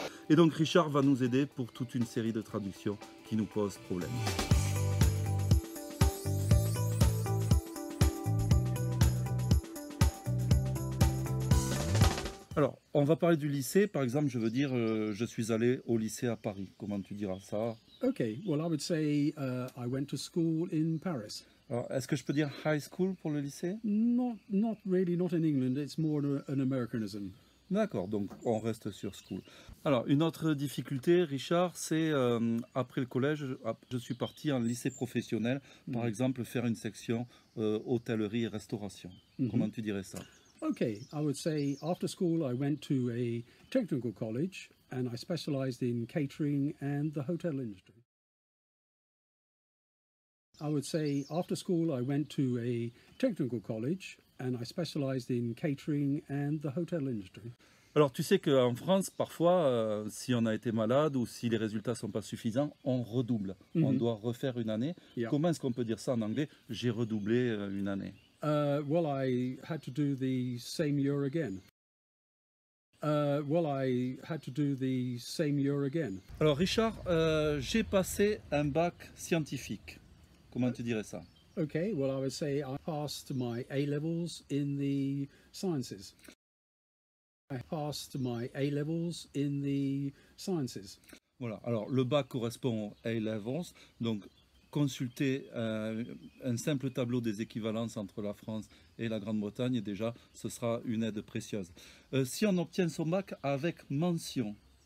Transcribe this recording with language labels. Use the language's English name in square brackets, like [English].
[French] Et donc, Richard va nous aider pour toute une série de traductions qui nous posent problème. Alors, on va parler du lycée. Par exemple, je veux dire, je suis allé au lycée à Paris. Comment tu diras ça? [English] Ok, well, I would say I went to school in Paris. [French] Alors, est-ce que je peux dire high school pour le lycée? [English] Not really, not in England, it's more an Americanism. [French] D'accord, donc on reste sur school. Alors, une autre difficulté, Richard, c'est après le collège, je suis parti en lycée professionnel, par exemple, faire une section hôtellerie et restauration. Mm-hmm. Comment tu dirais ça? [English] Ok, I would say after school, I went to a technical college and I specialized in catering and the hotel industry. I would say after school I went to a technical college and I specialized in catering and the hotel industry. [French] Alors tu sais qu'en France parfois si on a été malade ou si les résultats sont pas suffisants, on redouble. Mm-hmm. On doit refaire une année. Yeah. Comment est-ce qu'on peut dire ça en anglais? J'ai redoublé une année. [English] Well I had to do the same year again. Well I had to do the same year again. [French] Alors Richard, j'ai passé un bac scientifique. Comment tu dirais ça? [English] Okay, well I would say I passed my A-levels in the sciences. I passed my A-levels in the sciences. [French] Voilà, alors le bac correspond au A-levels, donc consulter un simple tableau des équivalences entre la France et la Grande-Bretagne, déjà ce sera une aide précieuse. Si on obtient son bac avec mention?